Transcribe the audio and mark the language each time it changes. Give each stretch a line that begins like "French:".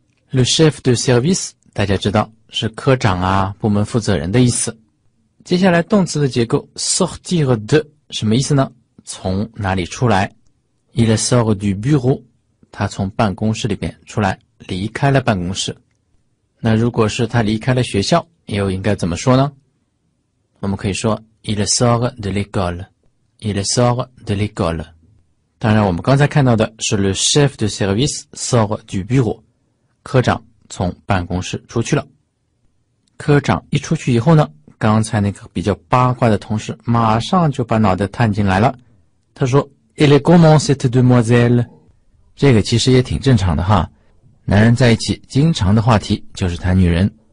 Chinese: Le chef de service 大家知道是科长啊，部门负责人的意思。接下来动词的结构 sortir de 什么意思呢？从哪里出来？
French: Il sort du bureau，
Chinese: 他从办公室里边出来离开了办公室。那如果是他离开了学校，又应该怎么说呢？我们可以说
French: il sort de l'école， il sort de l'école。
Chinese: 当然我们刚才看到的是
French: le chef de service sort du bureau，
Chinese: 科长从办公室出去了。科长一出去以后呢，刚才那个比较八卦的同事马上就把脑袋探进来了，他说
French: il est comment cette demoiselle，
Chinese: 这个其实也挺正常的哈，男人在一起经常的话题就是谈女人。